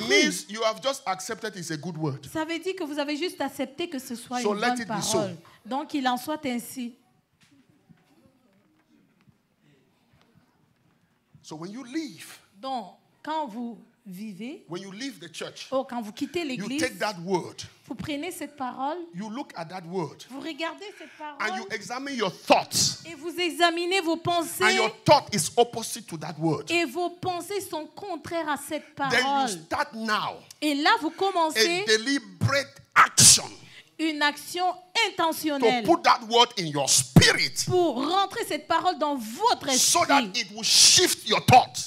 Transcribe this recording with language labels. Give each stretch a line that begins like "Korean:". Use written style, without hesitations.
English: It means you have just accepted it's a good word.
French: Ça veut dire que vous avez juste accepté que ce soit
English: so
French: une bonne parole.
English: So.
French: Donc il en soit ainsi.
English: So when you leave.
French: Donc quand vous vivez.
English: When you leave the church.
French: Oh, quand vous quittez l'église.
English: You take that word.
French: Vous prenez cette parole.
English: You look at that word.
French: Vous regardez cette parole.
English: And you examine your thoughts.
French: Et vous examinez vos pensées.
English: And your thought is opposite to that word.
French: Et vos pensées sont contraires à cette parole.
English: Then you start now.
French: Et là vous commencez.
English: A deliberate action.
French: Une action intentionnelle.
English: To put that word in your spirit.
French: Pour rentrer cette parole dans votre esprit.
English: So that it will shift your thoughts.